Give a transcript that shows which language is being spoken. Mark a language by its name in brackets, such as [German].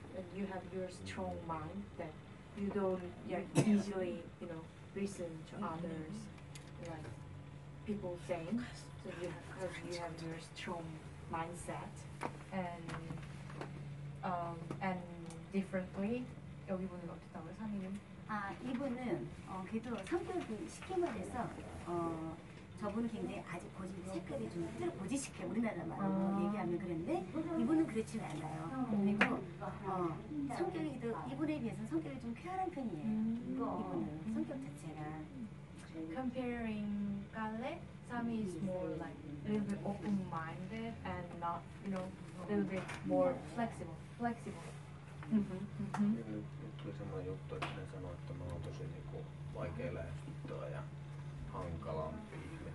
[English] And you have your strong mind that you don't easily, you know, listen to others, like people saying. So you have, cause you have your strong mindset, and differently. [Korean] 여기분은 어떻다고요? 3위는? 아, 이분은 그래도 성격이 쉽게 말해서 저분은 굉장히 아직 고집 색깔이 좀 뜨 고집스러워. 우리나라 말로 얘기하면 그런데 이분은 그렇지 않아요. 그리고 성격이도 이분에 비해서 성격이 좀 쾌활한 편이에요. 이분은 성격 자체가 [English] comparing Gale, Sammy is more like a little bit open-minded and not, you know, a little bit more flexible. 그래서 요또 전에 전화 또 뭐 또 전에 고 와이게 레스토어 야 한가람피